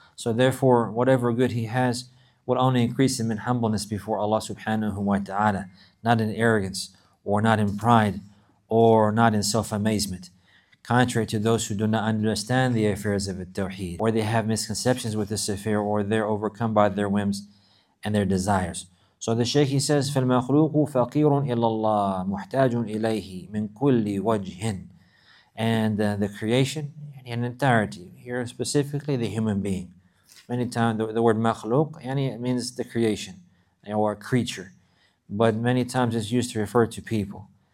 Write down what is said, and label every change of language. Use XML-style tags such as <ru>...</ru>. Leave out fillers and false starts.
<en>So therefore, whatever good he has will only increase him in humbleness before Allah subhanahu wa ta'ala, not in arrogance or not in pride, or not in self-amazement. Contrary to those who do not understand the affairs of Tawheed, or they have misconceptions with this affair, or they're overcome by their whims and their desires. So the Shaykh, he says,</en> <ar>فَالْمَخْلُوقُ فَقِيرٌ إِلَى اللَّهِ مُحْتَاجٌ إِلَيْهِ مِنْ كُلِّ وَجْهٍ.</ar> <en>And the creation in entirety, here specifically the human being. Many times the word makhluq, yani it means the creation, or a creature. But many times it's used to refer to people.</en>